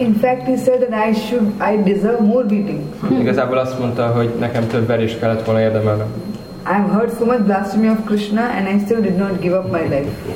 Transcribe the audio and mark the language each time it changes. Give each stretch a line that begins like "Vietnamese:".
English: In fact, he said that I deserve more beating.
Hungarian: Igazából azt mondta, hogy nekem több verés kellett volna érdemelnem.
English: I have heard so much blasphemy of Krishna and I still did not give up my life.